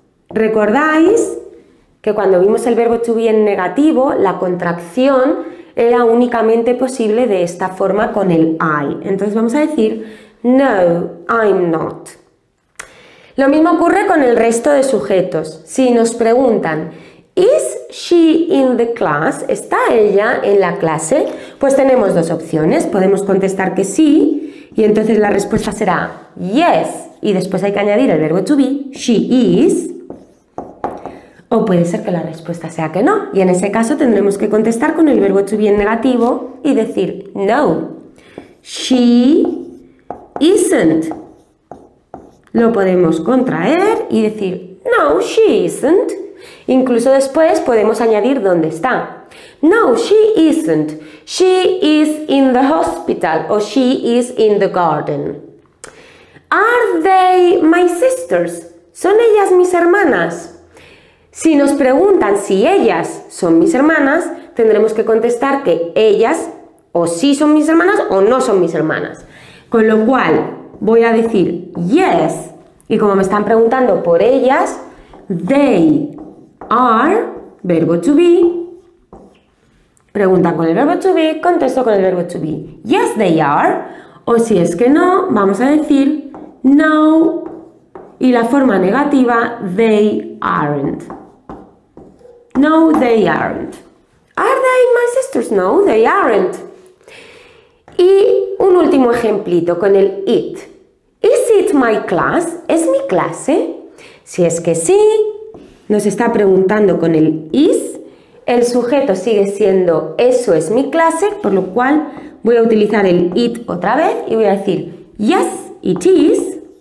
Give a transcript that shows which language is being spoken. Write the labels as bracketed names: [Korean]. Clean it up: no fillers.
[Spanish] ¿Recordáis que cuando vimos el verbo to be en negativo, la contracción era únicamente posible de esta forma con el I? Entonces vamos a decir no, [English] I'm not. [Spanish] Lo mismo ocurre con el resto de sujetos. Si nos preguntan, [English] is she in the class? [Spanish] ¿Está ella en la clase? Pues tenemos dos opciones. Podemos contestar que sí, y entonces la respuesta será yes, y después hay que añadir el verbo to be, [English] she is. [Spanish] O puede ser que la respuesta sea que no, y en ese caso tendremos que contestar con el verbo to be en negativo y decir [English] no, she isn't. [Spanish] Lo podemos contraer y decir [English] no, she isn't. [Spanish] Incluso después podemos añadir dónde está. [English] No, she isn't. She is in the hospital or she is in the garden. Are they my sisters? [Spanish] ¿Son ellas mis hermanas? Si nos preguntan si ellas son mis hermanas, tendremos que contestar que ellas o sí son mis hermanas o no son mis hermanas. Con lo cual, voy a decir yes. Y como me están preguntando por ellas, [English] they are, [Spanish] verbo to be. Pregunta con el verbo to be, contesto con el verbo to be. [English] Yes, they are. [Spanish] O si es que no, vamos a decir no. Y la forma negativa, [English] they aren't. No, they aren't. Are they my sisters? sisters. No, they aren't. [Spanish] Y un último ejemplito con el it. [English] Is it my class? [Spanish] ¿Es mi clase? Si es que sí, nos está preguntando con el is. El sujeto sigue siendo eso es mi clase, por lo cual voy a utilizar el it otra vez y voy a decir [English] yes, it is.